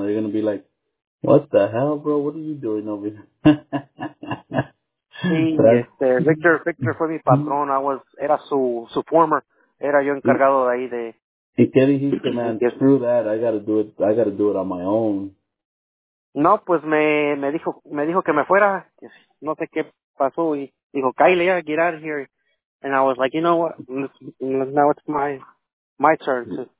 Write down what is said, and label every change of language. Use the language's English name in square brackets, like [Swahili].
[English] They're gonna be like, what the hell, bro, what are you doing over here? [Spanish] Victor fue mi patrón, era su former, era yo encargado de ahí de... ¿Y qué dijiste, man? [English] Screw that, I gotta do it on my own. [Spanish] No, pues me dijo que me fuera, no sé qué pasó, y dijo, Kyle, [English] yeah, get out of here. And I was like, you know what, now it's my turn.